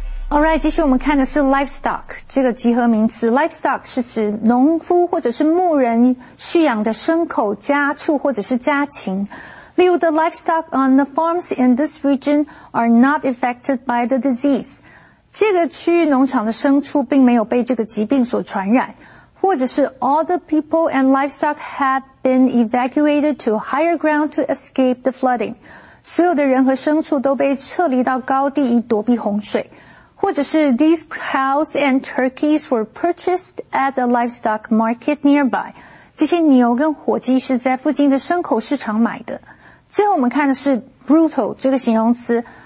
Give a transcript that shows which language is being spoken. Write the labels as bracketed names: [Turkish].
[Chinese] Alright, 继续我们看的是 livestock 这个集合名词。 Livestock 是指农夫或者是牧人蓄养的牲口、家畜或者是家禽。例如, [English] the livestock on the farms in this region are not affected by the disease. [Chinese] 这个区域农场的牲畜并没有被这个疾病所传染。或者是, [English] all the people and livestock have been evacuated to higher ground to escape the flooding. [Chinese] 所有的人和牲畜都被撤离到高地以躲避洪水。或者是, [English] these cows and turkeys were purchased at a livestock market nearby. [Chinese] 这些牛跟火鸡是在附近的牲口市场买的。最后我们看的是 brutal 这个形容词。